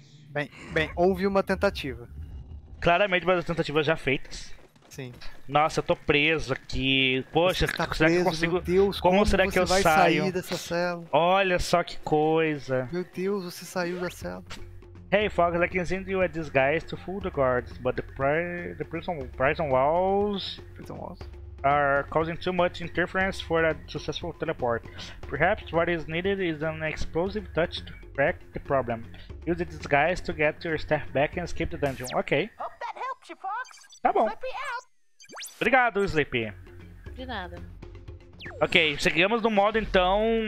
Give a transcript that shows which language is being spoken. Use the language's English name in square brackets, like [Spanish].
[Portuguese] Bem, bem, houve uma tentativa. Claramente, mas as tentativas já feitas. Sim. Nossa, eu tô preso aqui. Poxa, tá será preso, que eu consigo... Meu Deus, como será que eu vai saio? Sair dessa cela? Olha só que coisa. Meu Deus, você saiu da cela. [English] Hey, Fox, I can send you a disguise to fool the guards, but the prison walls are causing too much interference for a successful teleport. Perhaps what is needed is an explosive touch to crack the problem. Use the disguise to get your staff back and escape the dungeon. Ok. Hope that helped you, Fox. [Portuguese] Tá bom. Obrigado, Sleepy. De nada. Ok, seguimos no modo então.